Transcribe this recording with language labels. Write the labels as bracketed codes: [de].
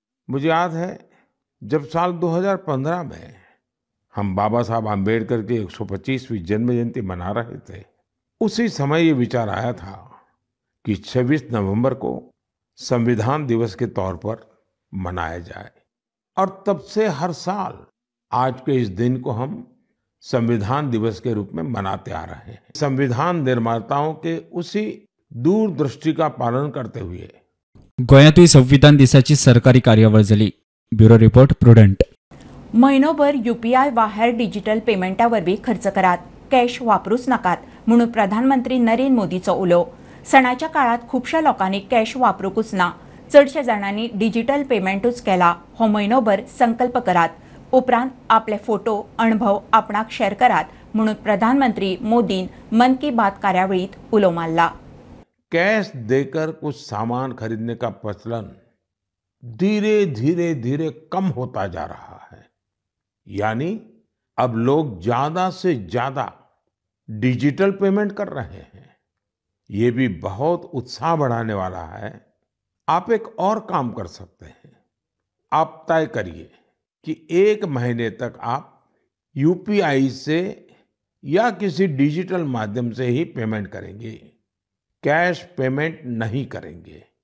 [hi] मुझे याद है जब साल 2015 में हम बाबा साहब आम्बेडकर की 125वीं जन्म जयंती मना रहे थे, उसी समय ये विचार आया था कि 26 नवंबर को संविधान दिवस के तौर पर मनाया जाए. और तब से हर साल आज के इस दिन को हम संविधान दिवस के रूप में मनाते आ रहे हैं। संविधान निर्माताओं के उसी दूरदृष्टि का पालन करते हुए [gom] गोयात संविधान दिशा सरकारी कार्यवाही झाली। [en] Bureau report, prudent. [gom] महिनोभर UPI बाहेर डिजिटल पेमेंटावरवी खर्च करात, कॅश वापरूच नकात म्हणून प्रधानमंत्री नरेंद्र मोदीचं उलो। सणाच्या काळात खूपशा लोकांनी कॅश वापरूकच ना, चढशा जणांनी डिजिटल पेमेंटच केला। हो महिनोभर संकल्प करात, उपरांत आपले फोटो अनुभव आपणाक शेअर करात म्हणून प्रधानमंत्री मोदीन मन की बात कार्यावळीत उलो मारला। [hi] कॅश देकर कुछ सामान खरीदने का प्रचलन धीरे धीरे धीरे कम होता जा रहा है, यानी अब लोग ज्यादा से ज्यादा डिजिटल पेमेंट कर रहे हैं। ये भी बहुत उत्साह बढ़ाने वाला है। आप एक और काम कर सकते हैं, आप तय करिए कि एक महीने तक आप UPI से या किसी डिजिटल माध्यम से ही पेमेंट करेंगे, कैश पेमेंट नहीं करेंगे।